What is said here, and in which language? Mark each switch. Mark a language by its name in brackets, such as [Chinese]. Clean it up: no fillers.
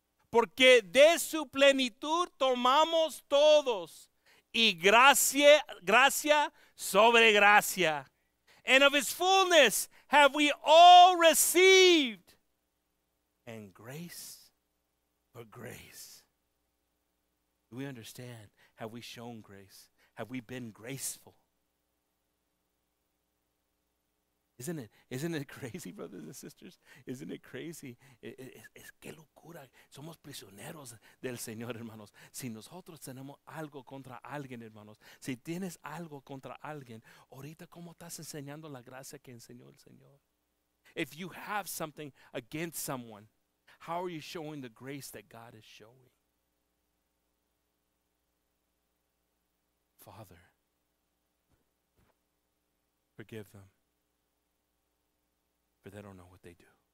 [Spanish] Porque de su plenitud tomamos todos, y gracia sobre gracia. [English] And of his fullness have we all received. And grace for grace. Do we understand? Have we shown grace? Have we been graceful? Isn't it crazy, brothers and sisters? Isn't it crazy? [Spanish] Es que locura. Somos prisioneros del Señor, hermanos. Si nosotros tenemos algo contra alguien, hermanos, si tienes algo contra alguien, ahorita, ¿cómo estás enseñando la gracia que enseñó el Señor? [English] If you have something against someone, how are you showing the grace that God is showing? Father, forgive them, for they don't know what they do.